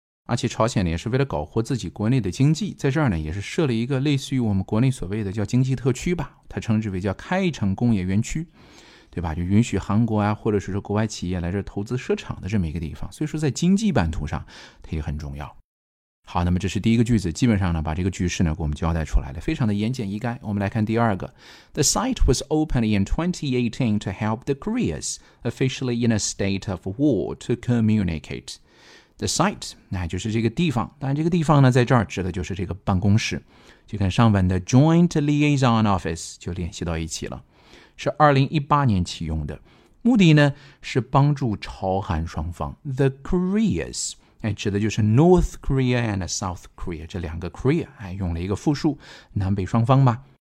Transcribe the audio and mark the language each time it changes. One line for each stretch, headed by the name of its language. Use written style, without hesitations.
Chinese: 而且朝鲜呢也是为了搞活自己国内的经济，在这儿呢也是设了一个类似于我们国内所谓的叫经济特区吧，它称之为叫开城工业园区，对吧？就允许韩国啊，或者是说国外企业来这投资设厂的这么一个地方，所以说在经济版图上它也很重要。好，那么这是第一个句子，基本上呢把这个局势呢给我们交代出来了，非常的言简意赅。我们来看第二个
English: ，The site was opened in 2018 to help the Koreas officially in a state of war to communicate.
Chinese: The site, 那就是这个地方，但这个地方呢在这儿指的就是这个办公室，就跟上文的 Joint Liaison Office 就联系到一起了，是2018年启用的，目的呢是帮助朝韩双方。 The Koreas, 指的就是 North Korea and South Korea, 这两个 Korea, 用了一个复数，南北双方吧。